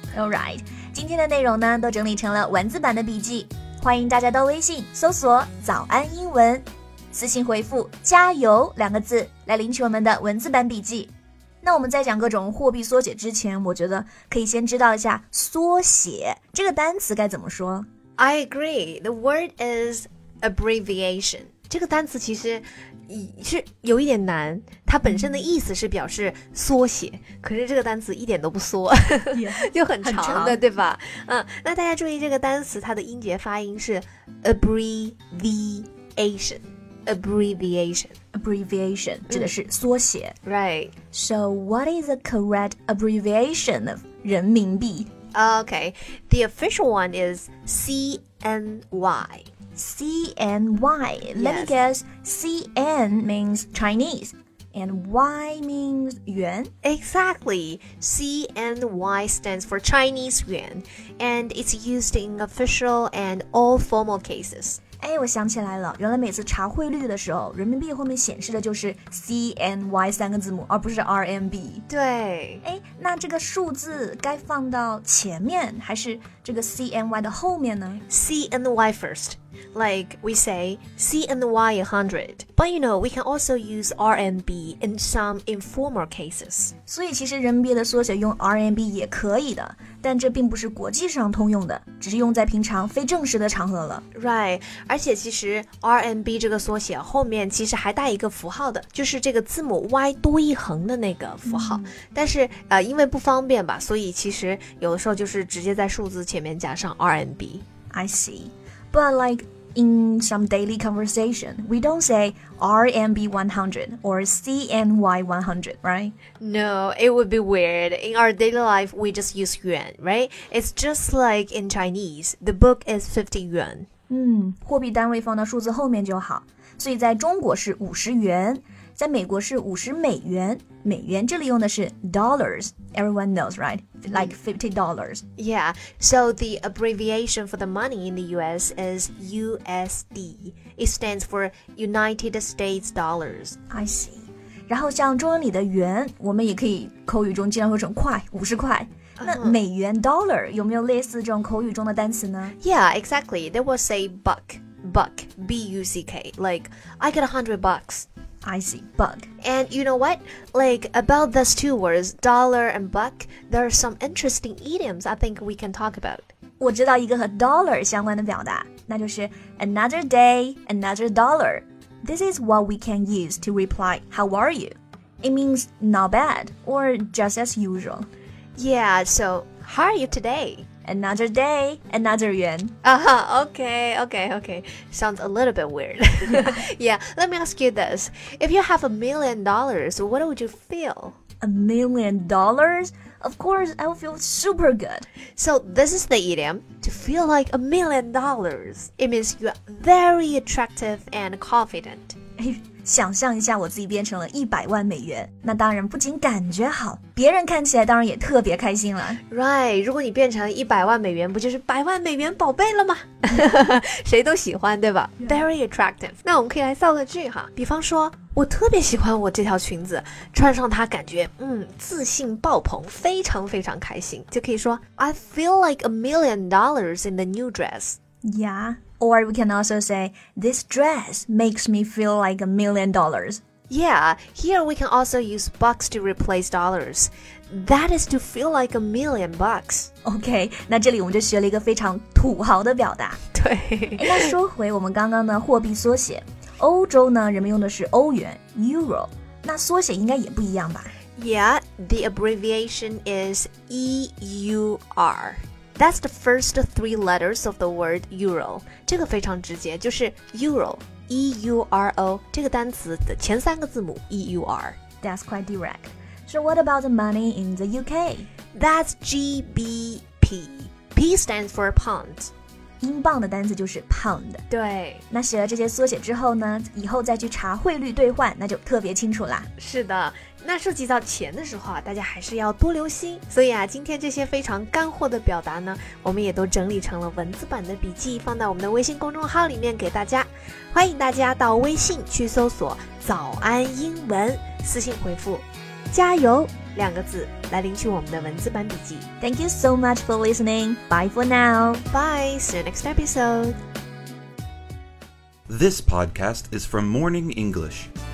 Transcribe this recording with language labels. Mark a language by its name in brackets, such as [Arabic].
[English] ？ All right， [Chinese] 今天的内容呢，都整理成了文字版的笔记。欢迎大家到微信搜索早安英文，私信回复加油两个字来领取我们的文字版笔记。那我们在讲各种货币缩写之前，我觉得可以先知道一下缩写这个单词该怎么说。 [English] I agree, the word is abbreviation. [Chinese] 这个单词其实是有一点难，它本身的意思是表示缩写，可是这个单词一点都不缩，就很长的，对吧？嗯，那大家注意这个单词，它的音节发音是 abbreviation, abbreviation, abbreviation， 指的是缩写。 [English] Right. So what is the correct abbreviation of 人民币？ Okay, the official one is CNY. CNY. Let me guess. CN means Chinese, and Y means yuan. Exactly. CNY stands for Chinese yuan, and it's used in official and all formal cases. [Chinese] 哎，我想起来了，原来每次查汇率的时候，人民币后面显示的就是 CNY 三个字母，而不是 RMB。对。哎，那这个数字该放到前面还是这个 CNY 的后面呢 [English] ？CNY first. Like we say CNY 100, but you know we can also use RMB in some informal cases. [Chinese] 所以其实人民币的缩写用 RMB 也可以的，但这并不是国际上通用的，只是用在平常非正式的场合了。 [English] Right, [Chinese] 而且其实 RMB 这个缩写后面其实还带一个符号的，就是这个字母 Y 多一横的那个符号。但是因为不方便吧，所以其实有的时候就是直接在数字前面加上 RMB. [English] I see. But like in some daily conversation, we don't say RMB 100 or CNY 100, right? No, it would be weird. In our daily life, we just use yuan, right? It's just like in Chinese, the book is 50 yuan. [Chinese] 货币单位放到数字后面就好。所以在中国是50元，在美国是50美元。美元这里用的是 dollars, [English] everyone knows, right? Like $50. Yeah, so the abbreviation for the money in the US is USD. It stands for United States Dollars. I see. [Chinese] 然后像中文里的元，我们也可以口语中经常说成块，50块。那美元 dollar 有没有类似这种口语中的单词呢？ [English] Yeah, exactly. They will say buck, buck, B-U-C-K. Like, I get $100. I see, buck. And you know what? Like, about those two words, dollar and buck, there are some interesting idioms I think we can talk about. [Chinese] 我知道一个和 dollar 相关的表达，那就是 [English] another day, another dollar. This is what we can use to reply, how are you? It means not bad, or just as usual. Yeah, so, how are you today? Another day, another yuan. Uh-huh, okay, okay, okay. Sounds a little bit weird. Yeah, let me ask you this. If you have $1,000,000, what would you feel? $1,000,000? Of course, I would feel super good. So this is the idiom, to feel like $1,000,000. It means you're very attractive and confident. [Chinese] 想象一下我自己变成了$1,000,000，那当然不仅感觉好，别人看起来当然也特别开心了。 [English] Right, [Chinese] 如果你变成$1,000,000，不就是百万美元宝贝了吗？谁都喜欢，对吧？ [English] Very attractive. [Chinese] 那我们可以来造个句哈，比方说，我特别喜欢我这条裙子，穿上它感觉自信爆棚，非常非常开心，就可以说 [English] I feel like $1,000,000 in the new dress. Yeah.Or we can also say, this dress makes me feel like $1,000,000. Yeah, here we can also use bucks to replace dollars. That is to feel like a million bucks. [Chinese] Okay, 那这里我们就学了一个非常土豪的表达。对。那说回我们刚刚的货币缩写，欧洲呢，人们用的是欧元 ,Euro, 那缩写应该也不一样吧？ [English] Yeah, the abbreviation is EUR. That's the first three letters of the word euro. [Chinese] 这个非常直接，就是 euro, E-U-R-O, 这个单词的前三个字母 EUR. [English] That's quite direct. So what about the money in the UK? That's GBP. P stands for pound. [Chinese] 英镑的单词就是 pound 对那写了这些缩写之后呢以后再去查汇率兑换那就特别清楚啦是的那涉及到钱的时候啊大家还是要多留心所以啊今天这些非常干货的表达呢我们也都整理成了文字版的笔记放在我们的微信公众号里面给大家欢迎大家到微信去搜索早安英文私信回复加油两个字来领取我们的文字版笔记 [English] Thank you so much for listening Bye for now Bye, see you next episode This podcast is from Morning English